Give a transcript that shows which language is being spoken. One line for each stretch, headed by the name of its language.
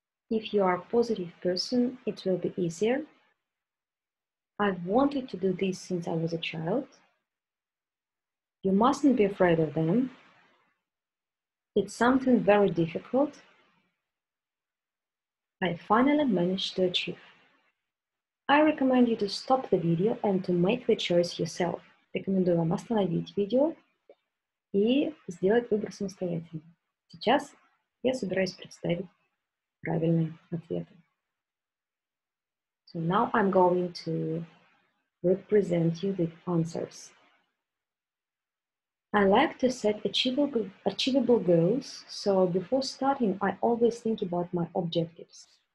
English: If you are a positive person, it will be easier. I've wanted to do this since I was a child. You mustn't be afraid of them. It's something very difficult. I finally managed to achieve. I recommend you to stop the video and to make the choice yourself.
Russian: Рекомендую вам остановить видео и сделать выбор самостоятельно. Сейчас я собираюсь представить правильные ответы.
English: So now I'm going to represent you the answers. I like to set achievable goals, so before starting, I always think about my objectives.